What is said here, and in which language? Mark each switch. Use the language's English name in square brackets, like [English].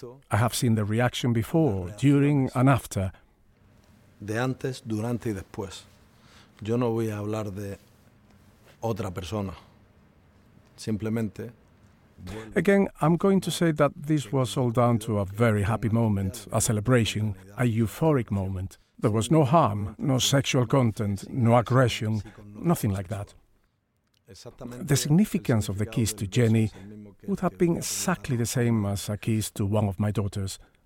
[English] I have seen the reaction before, during and after. [Spanish] De antes, durante y después. Yo no voy a hablar de otra persona. Simplemente. [English] Again, I'm going to say that this was all down to a very happy moment, a celebration, a euphoric moment. There was no harm, no sexual content, no aggression, nothing like that. The significance of the kiss to Jenny would have been exactly the same as a kiss to one of my daughters.